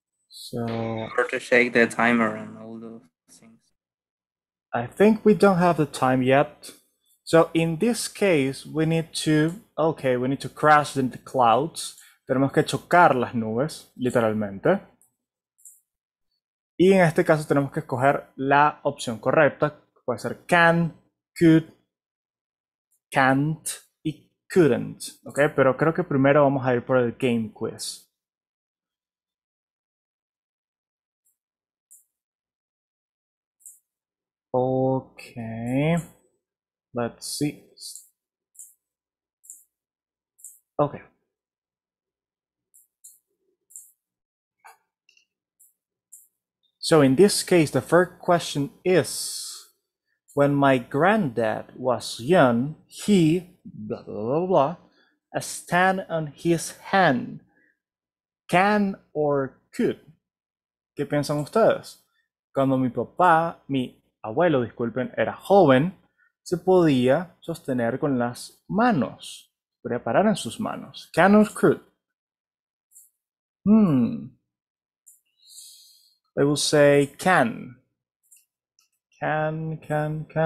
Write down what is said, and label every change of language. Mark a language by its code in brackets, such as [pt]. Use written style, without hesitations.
[en] So, or to shake the timer and all those things. I think we don't have the time yet. So in this case, we need to crash in the clouds. [es] Tenemos que chocar las nubes, literalmente. Y en este caso tenemos que escoger la opción correcta. Puede ser can, could, can't y couldn't. Okay, pero creo que primero vamos a ir por el game quiz. [en] Okay. Let's see. Okay. So in this case, the first question is, when my granddad was young, he blah, blah, blah, blah, blah, stand on his hand, can or could? [es] ¿Qué piensan ustedes? Cuando mi papá, mi abuelo, disculpen, era joven, se podía sostener con las manos, podía parar en sus manos. [en] Can or could? I will say can. Can.